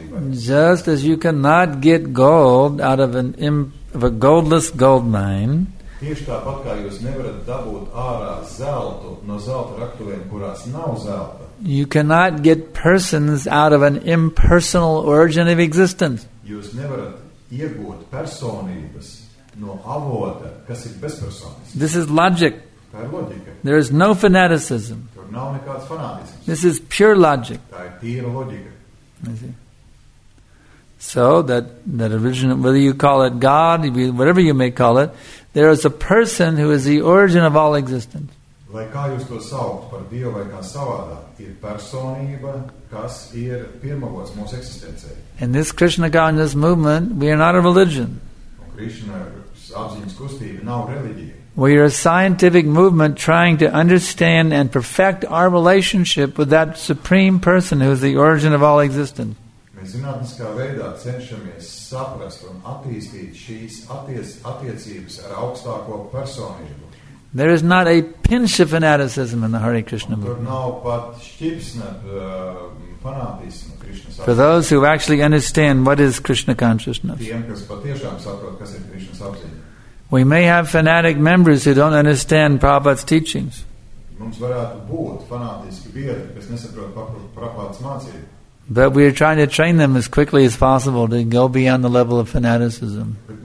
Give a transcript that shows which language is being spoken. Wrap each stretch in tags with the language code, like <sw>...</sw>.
<en>Just as you cannot get gold out of a goldless gold mine,</en> <lv>tieši tāpat kā jūs nevarat dabūt ārā zeltu no zelta raktuvēm, kurās nav zelta.</lv> <en>You cannot get persons out of an impersonal origin of existence.</en> <lv>Jūs nevarat iegūt personības no avota, kas ir bezpersonisks.</lv> <en>This is logic.</en> <lv>Tā ir loģika.</lv> <en>There is no fanaticism.</en> <lv>Tur nav nekāds fanātisms.</lv> <en>This is pure logic.</en> <lv>Tā ir tīra loģika.</lv> <en>So that origin, whether you call it God, whatever you may call it, there is a person who is the origin of all existence.</en> <lv>Lai kā jūs to saukt par Dievu vai kā savādā, ir personība, kas ir pirmavots mūsu eksistencē.</lv> <en>In this Krishna consciousness movement, we are not a religion.</en> <lv>Krishna apziņas kustība nav reliģija.</lv> <en>We are a scientific movement trying to understand and perfect our relationship with that supreme person who is the origin of all existence.</en> <lv>Zinātniskā veidā cenšamies saprast un attīstīt šīs attiecības ar augstāko personību.</lv> <en>There is not a pinch of fanaticism in the Hare Krishna movement.</en> <lv>Tur nav pat šķipsna fanātismu Krishna sapratnē.</lv> <en>For those who actually understand what is Krishna consciousness.</en> <lv>Tiem, kas patiešām saprot, kas ir Krishna sapratnē.</lv> <en>We may have fanatic members who don't understand Prabhupada's teachings.</en> <lv>Mums varētu būt fanātiski biedri, kas nesaprot Prabhupada's mācību.</lv> <en>But we are trying to train them as quickly as possible to go beyond the level of fanaticism.</en>